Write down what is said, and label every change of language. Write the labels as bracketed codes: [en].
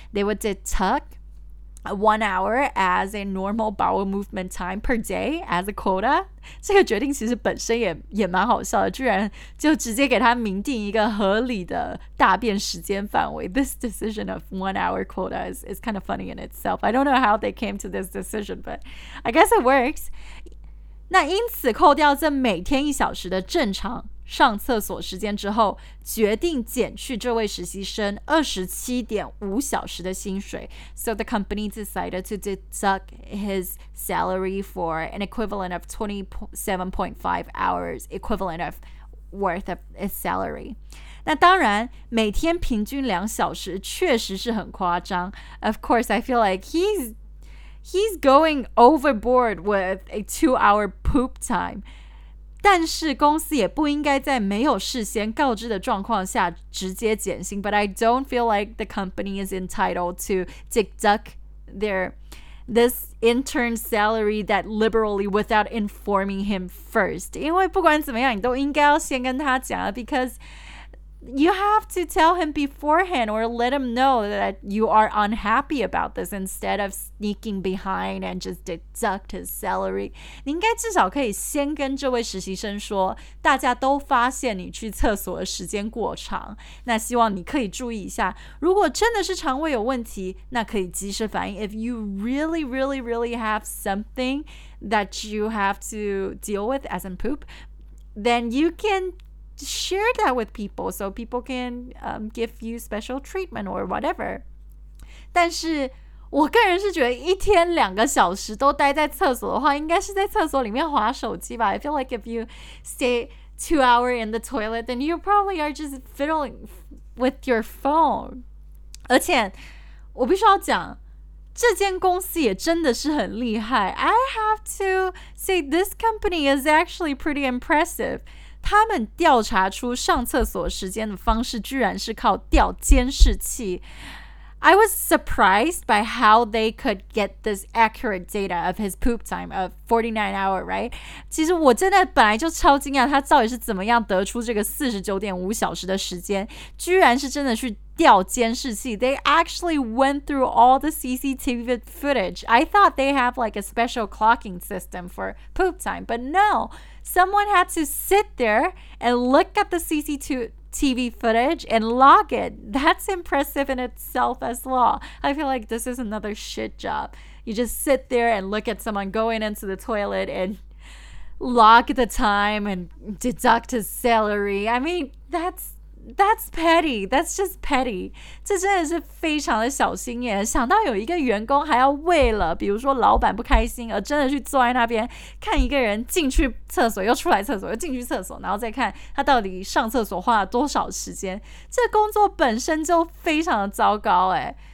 [en] They would deduct 1 hour as a normal bowel movement time per day as a quota. [zh] 这个决定其实本身也蛮好笑的，居然就直接给他明定一个合理的大便时间范围。 [en] This decision of 1 hour quota is kind of funny in itself. I don't know how they came to this decision, but I guess it works. [zh] 那因此扣掉这每天一小时的正常上厕所时间之后，决定减去这位实习生27.5小时的薪水。 [en] So the company decided to deduct his salary for an equivalent of 27.5 hours equivalent of worth of his salary. [zh] 那当然每天平均两小时确实是很夸张。 [en] Of course I feel like he's going overboard with a 2 hour poop time. [zh] 但是公司也不应该在没有事先告知的状况下直接减薪。 [en] But I don't feel like the company is entitled to deduct this intern's salary that liberally without informing him first. [zh] 因为不管怎么样你都应该要先跟他讲， [en] Because you have to tell him beforehand or let him know that you are unhappy about this instead of sneaking behind and just deduct his salary. [zh] 你应该至少可以先跟这位实习生说，大家都发现你去厕所的时间过长，那希望你可以注意一下，如果真的是肠胃有问题，那可以及时反应。 [en] If you really, really, really have something that you have to deal with as in poop, then you canshare that with people so people can give you special treatment or whatever. [zh] 但是我个人是觉得一天两个小时都待在厕所的话，应该是在厕所里面滑手机吧。 [en] I feel like if you stay 2 hours in the toilet, then you probably are just fiddling with your phone. [zh] 而且我必须要讲，这间公司也真的是很厉害。 [en] I have to say this company is actually pretty impressive. [zh] 他们调查出上厕所时间的方式居然是靠调监视器。 [en] I was surprised by how they could get this accurate data of his poop time of 49 hours, right? [zh] 其实我真的本来就超惊讶他到底是怎么样得出这个 49.5 小时的时间，居然是真的去调监视器。 [en] They actually went through all the CCTV footage. I thought they have like a special clocking system for poop time, but no. Someone had to sit there and look at the CCTV footage and log it. That's impressive in itself as well. I feel like this is another shit job. You just sit there and look at someone going into the toilet and log the time and deduct his salary. I mean, That's petty. That's just petty. [zh] 这真的是非常的小心眼。想到有一个员工还要为了，比如说老板不开心，而真的去坐在那边看一个人进去厕所，又出来厕所，又进去厕所，然后再看他到底上厕所花了多少时间。这工作本身就非常的糟糕哎。